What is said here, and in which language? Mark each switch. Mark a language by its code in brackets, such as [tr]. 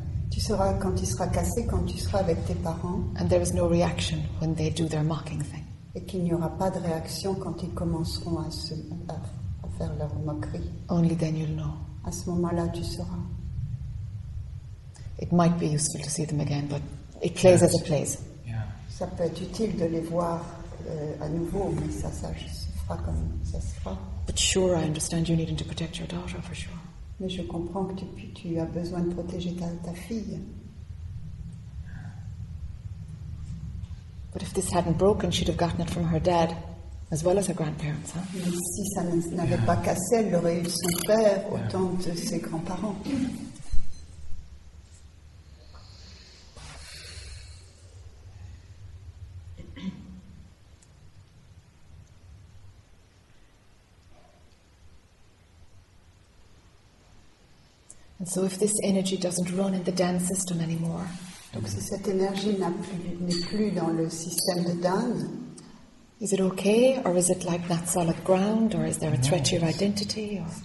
[fr] Tu sauras quand il sera cassé quand tu seras avec tes parents. [en] And there is no reaction when they do their mocking thing. [fr] Et qu'il n'y aura pas de réaction quand ils commenceront à faire leur moquerie. [en] Only then you'll know. [fr] À ce moment-là, tu sauras. [en] It might be useful to see them again, but it plays as it plays. Yeah. [fr] Ça peut être utile de les voir à nouveau, mais ça se fera comme ça se fera. [en] But sure, I understand you needing to protect your daughter for sure. [fr] Mais je comprends que tu as besoin de protéger ta fille. [en] But if this hadn't broken, she'd have gotten it from her dad, as well as her grandparents, huh? [fr] Mais si ça n'avait pas cassé, elle l'aurait eu de son père autant de ses grands-parents. [en] So if this energy doesn't run in the Dan system anymore, [fr] donc si cette énergie n'est plus dans le système de Dan, [en] is it okay, or is it like that solid ground, or is there a threat to your identity?